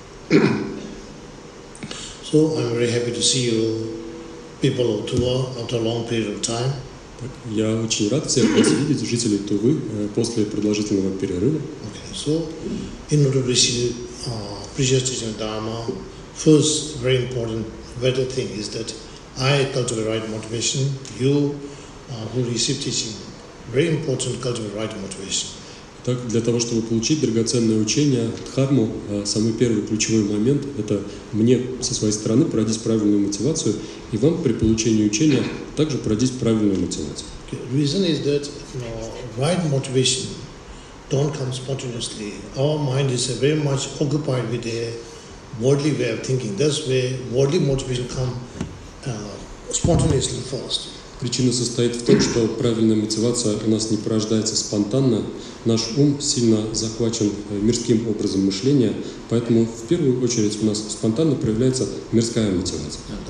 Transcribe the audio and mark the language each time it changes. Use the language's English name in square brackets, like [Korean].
[English] So I'm very happy to see you people of Tuva after a long period of time. [Russian] Я очень рад всех вас видеть, жителей Тувы, после продолжительного перерыва. [English] Okay, so in order to receive precious dharma, first very important vital thing is that I cultivate right motivation. You who receive teaching, very important cultivate right motivation. [Russian] Так, для того, чтобы получить драгоценное учение, дхарму, самый первый ключевой момент – это мне со своей стороны пройдись правильную мотивацию, и вам при получении учения также пройдись правильную мотивацию. [English] Okay. Reason is that, you know, right motivation don't come spontaneously. Our mind is very much occupied with a worldly way of thinking. That's where worldly motivation come spontaneously first. [Russian] Причина состоит в том, что правильная мотивация у нас не порождается спонтанно. Наш ум сильно захвачен мирским образом мышления, поэтому в первую очередь у нас спонтанно проявляется мирская мотивация.